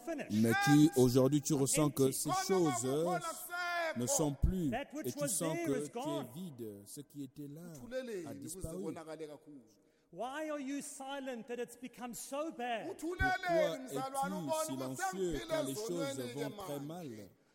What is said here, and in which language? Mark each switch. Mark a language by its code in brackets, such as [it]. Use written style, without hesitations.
[fr] Mais aujourd'hui, tu ressens que ces choses ne sont plus. Et tu sens que tu es vide. Ce qui était là a disparu. [en] Why are you silent that it's become so bad? [fr] Pourquoi es-tu silencieux quand les choses vont très mal?